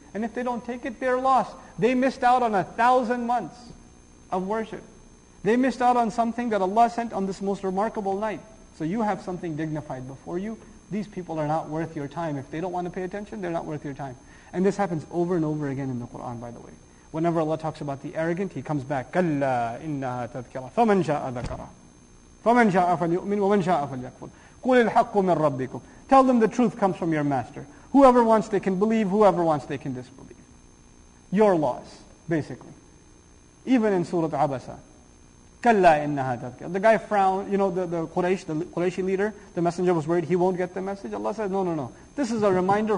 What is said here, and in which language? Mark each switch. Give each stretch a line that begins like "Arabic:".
English: And if they don't take it, they're lost. They missed out on 1,000 months of worship. They missed out on something that Allah sent on this most remarkable night. So you have something dignified before you. These people are not worth your time. If they don't want to pay attention, they're not worth your time. And this happens over and over again in the Qur'an, by the way. Whenever Allah talks about the arrogant, he comes back,
Arabic: كَلَّا إِنَّهَا تَذْكِرَةً فَمَنْ شَاءَ ذَكَرَهُ فَمَنْ شَاءَ فَلْيُؤْمِنْ وَمَنْ شَاءَ فَلْيَكْفُرْ قُلِ الْحَقُّ مِنْ رَبِّكُمْ.
English: Tell them the truth comes from your master. Whoever wants, they can believe. Whoever wants, they can disbelieve. Your laws, basically. Even in Surah Abasa,
Arabic: كَلَّا إِنَّهَا تَذْكِرَةً.
English: The guy frowned, you know, the Quraysh leader, the messenger was worried he won't get the message. Allah said, no. This is a reminder.